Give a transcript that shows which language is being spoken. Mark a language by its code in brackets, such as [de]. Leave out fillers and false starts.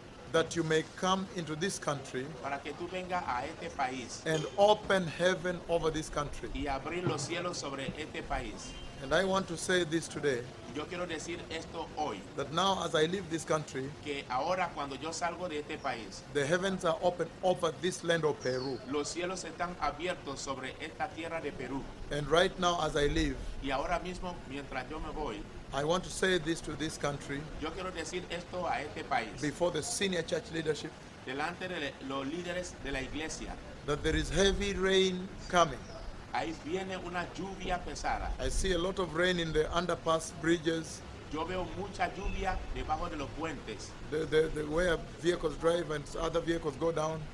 [en] That you may come into this country, [es] para que tú venga a este país, [en] and open heaven over this country, [es] y abrir los cielos sobre este país. [en] And I want to say this today, [es] yo quiero decir esto hoy, [en] that now as I leave this country, [es] que ahora cuando yo salgo de este país, [en] the heavens are open over this land of Peru, [es] los cielos están abiertos sobre esta tierra de Perú. [en] And right now as I leave, [es] y ahora mismo mientras yo me voy, [en] I want to say this to this country. [es] Yo quiero decir esto a este país. [en] Before the senior church leadership. [es] Delante de los líderes de la iglesia. [en] That there is heavy rain coming. [es] Ahí viene una lluvia pesada. [en] I see a lot of rain in the underpass bridges. [es] Yo veo mucha lluvia debajo de los puentes. [en] The where vehicles drive and other vehicles go down.